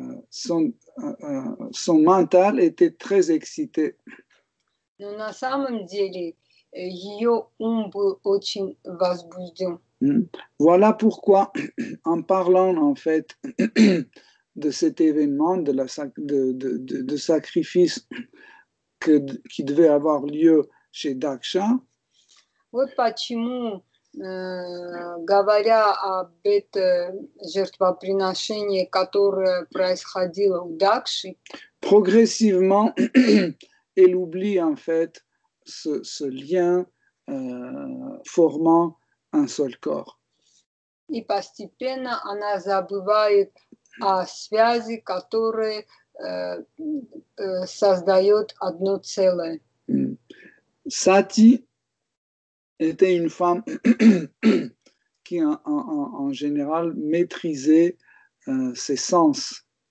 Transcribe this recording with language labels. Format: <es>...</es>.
<fr>son mental était très excité.</fr> <ru>Но на самом деле ее ум был очень возбужден.</ru> <fr>Voilà pourquoi, en parlant en fait de cet événement, de sacrifice qui devait avoir lieu chez Daksha.</fr> <ru>Вот почему. Говоря об этом жертвоприношении, которое происходило у Дакши, прогрессивно</ru> <fr>elle oublie en fait ce lien formant un seul corps.</fr> <ru>И постепенно она забывает о связи, которые создают одно целое.</ru> <fr>Сати était une femme qui en général maîtrisait ses sens.</fr>